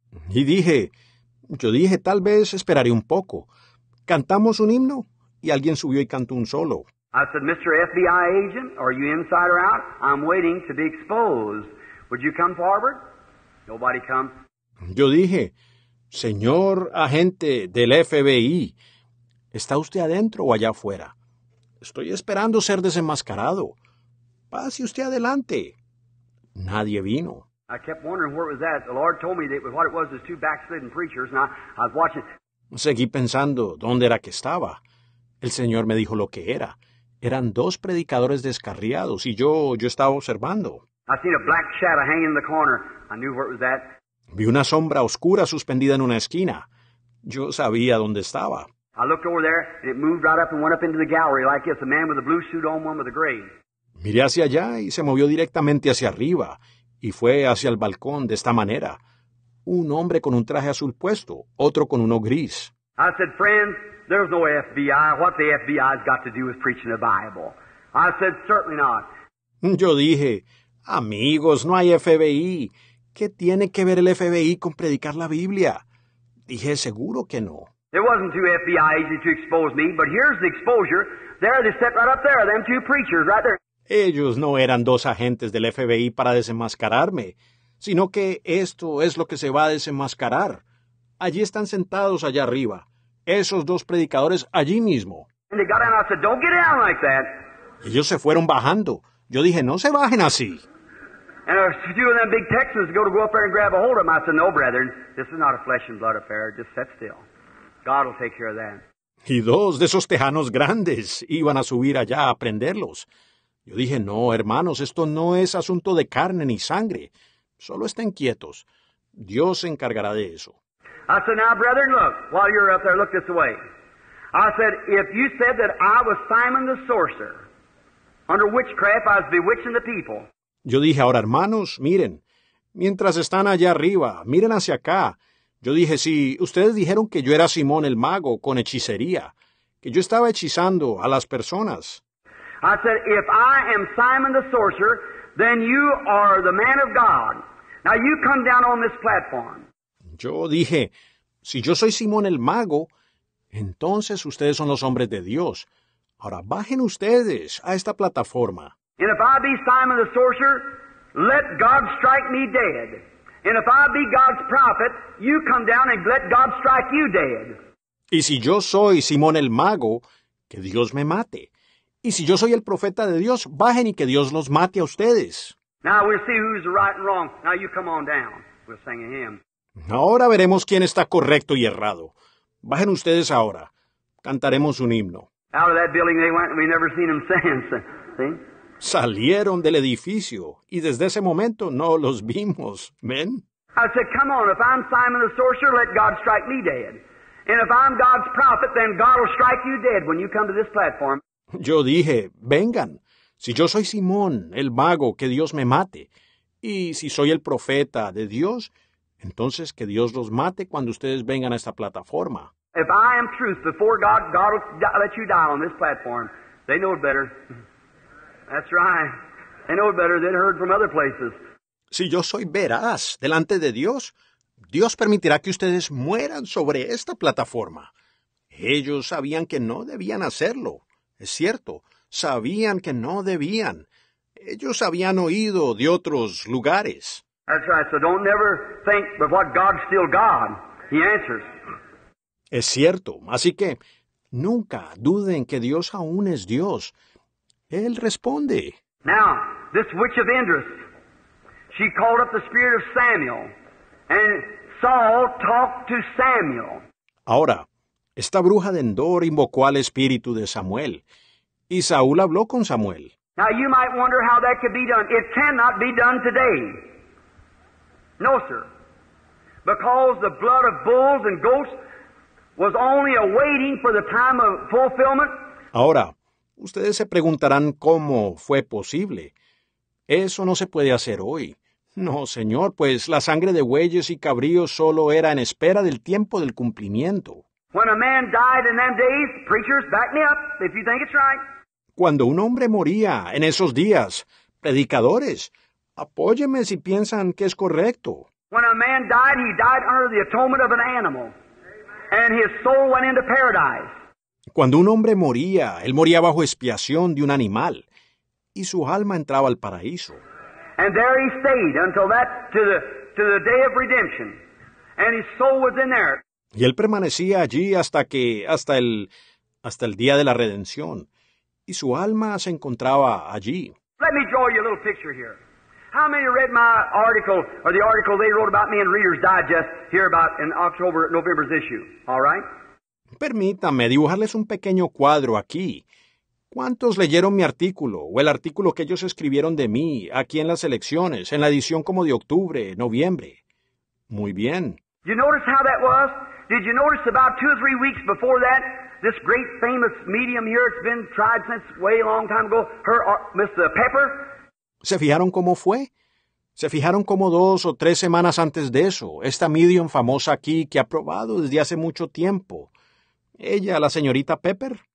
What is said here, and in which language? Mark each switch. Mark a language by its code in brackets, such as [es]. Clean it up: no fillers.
[es] Y dije, yo dije, tal vez esperaré un poco. Cantamos un himno y alguien subió y cantó un solo. [en] I said, Mr. FBI agent, are you inside or out? I'm waiting to be exposed. Would you come forward? Nobody come. [es] Yo dije, señor agente del FBI, ¿está usted adentro o allá afuera? Estoy esperando ser desenmascarado. Pase usted adelante. Nadie vino. [en] I kept wondering where it was at. The Lord told me that what it was is two backslidden preachers, and I was watching. [es] Seguí pensando dónde era que estaba. El Señor me dijo lo que era. Eran dos predicadores descarriados, y yo estaba observando. [en] I seen a black shadow hanging in the corner. I knew where it was at. [es] Vi una sombra oscura suspendida en una esquina. Yo sabía dónde estaba. [en] I looked over there, and it moved right up and went up into the gallery like this, a man with a blue suit on, one with a gray. [es] Miré hacia allá y se movió directamente hacia arriba, y fue hacia el balcón de esta manera. Un hombre con un traje azul puesto, otro con uno gris. [en] I said, friend, there's no FBI. What the FBI's got to do with preaching the Bible? I said, certainly not. [es] Yo dije, amigos, no hay FBI. ¿Qué tiene que ver el FBI con predicar la Biblia? Dije, seguro que no. [en] There wasn't two FBI agents to expose me, but here's the exposure. There they sit right up there, them two preachers right there. [es] Ellos no eran dos agentes del FBI para desenmascararme, sino que esto es lo que se va a desenmascarar. Allí están sentados allá arriba, esos dos predicadores allí mismo. [en] And they got out and I said, don't get down like that. [es] Ellos se fueron bajando. Yo dije, no se bajen así. [en] And a few of them big Texans go up there and grab a hold of them. I said, no, brethren, this is not a flesh and blood affair. Just sit still. God will take care of that. [es] Y dos de esos tejanos grandes iban a subir allá a prenderlos. Yo dije, no, hermanos, esto no es asunto de carne ni sangre. Solo estén quietos. Dios se encargará de eso. [en] I said, now, brethren, look, while you're up there, look this way. I said, if you said that I was Simon the sorcerer, under witchcraft, I was bewitching the people. [es] Yo dije, ahora, hermanos, miren, mientras están allá arriba, miren hacia acá. Yo dije, si ustedes dijeron que yo era Simón el mago con hechicería, que yo estaba hechizando a las personas. [en] I said, if I am Simon the sorcerer, then you are the man of God. Now you come down on this platform. [es] Yo dije, si yo soy Simón el mago, entonces ustedes son los hombres de Dios. Ahora bajen ustedes a esta plataforma. [en] And if I be Simon the sorcerer, let God strike me dead. And if I be God's prophet, you come down and let God strike you dead. [es] Y si yo soy Simón el mago, que Dios me mate. Y si yo soy el profeta de Dios, bajen y que Dios los mate a ustedes. [en] Now we'll see who's right and wrong. Now you come on down. We'll sing a hymn. [es] Ahora veremos quién está correcto y errado. Bajen ustedes ahora. Cantaremos un himno. [en] Out of that building they went, we've never seen them since. See? [es] Salieron del edificio y desde ese momento no los vimos. ¿Ven? [en] I said, come on, if I'm Simon the sorcerer, let God strike me dead. And if I'm God's prophet, then God will strike you dead when you come to this platform. [es] Yo dije, vengan, si yo soy Simón, el mago, que Dios me mate. Y si soy el profeta de Dios, entonces que Dios los mate cuando ustedes vengan a esta plataforma. [en] If I am truth before God, God will let you die on this platform. They know it better. That's right. They know it better. They'd heard from other places. [es] Si yo soy veraz delante de Dios, Dios permitirá que ustedes mueran sobre esta plataforma. Ellos sabían que no debían hacerlo. Es cierto. Sabían que no debían. Ellos habían oído de otros lugares. [en] That's right. So don't never think that what God's still God. He answers. [es] Es cierto. Así que nunca duden que Dios aún es Dios. Él responde. [en] Now, this witch of Endor, she called up the spirit of Samuel, and Saul talked to Samuel. [es] Ahora, esta bruja de Endor invocó al espíritu de Samuel, y Saúl habló con Samuel. [en] Now, you might wonder how that could be done. It cannot be done today. No, sir. Because the blood of bulls and goats was only awaiting for the time of fulfillment. [es] Ahora, ustedes se preguntarán cómo fue posible. Eso no se puede hacer hoy. No, señor, pues la sangre de bueyes y cabríos solo era en espera del tiempo del cumplimiento. [en] When a man died in them days, preachers, back me up if you think it's right. [es] Cuando un hombre moría en esos días, predicadores, apóyeme si piensan que es correcto. [en] When a man died, he died under the atonement of an animal. And his soul went into paradise. [es] Cuando un hombre moría, él moría bajo expiación de un animal, y su alma entraba al paraíso. [en] And there he stayed until that to the day of redemption, and his soul was in there. [es] Y él permanecía allí hasta el día de la redención, y su alma se encontraba allí. [en] Let me draw you a little picture here. How many read my article or the article they wrote about me in Reader's Digest here about in October, November's issue? All right. [es] Permítame dibujarles un pequeño cuadro aquí. ¿Cuántos leyeron mi artículo o el artículo que ellos escribieron de mí aquí en las elecciones, en la edición como de octubre, noviembre? Muy bien. [en] You notice how that was? Did you notice about two or three weeks before that, this great famous medium here, it's been tried since way long time ago, her, Mr. Pepper? [es] ¿Se fijaron cómo fue? ¿Se fijaron cómo dos o tres semanas antes de eso, esta medium famosa aquí que ha probado desde hace mucho tiempo, ella, la señorita Pepper?